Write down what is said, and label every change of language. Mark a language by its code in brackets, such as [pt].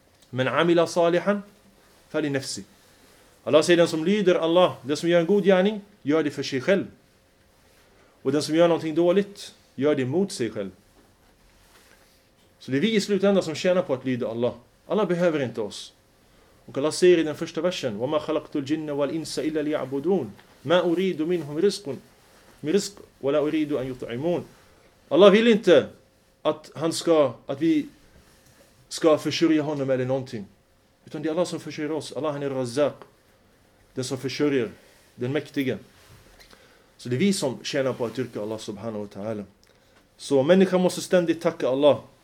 [ar] Men amila salihan fali nafsi. [sv] Allah säger: den som lyder Allah, den som gör en god gärning, gör det för sig själv. Och den som gör någonting dåligt, gör det mot sig själv. Så det är vi i slutändan som tjänar på att lyda Allah. Alla behöver inte oss. Och Allah säger i den första versen: [ar] وَمَا خَلَقْتُ الْجِنَّ وَالْإِنْسَ إِلَّا لِيَعْبُدُونَ مَا أُرِيدُ مِنْهُمْ رِزْقٌ مِرِزْقٌ وَلَا أُرِيدُ أَنْ يُطْعِمُونَ. [sv] Allah vill inte att vi ska försörja honom eller någonting. Utan det är Allah som försörjer oss. Allah, han är Razzaq. Den som försörjer. Den mäktige. Så det är vi som tjänar på att dyrka Allah subhanahu wa ta'ala. Så människan måste ständigt tacka Allah.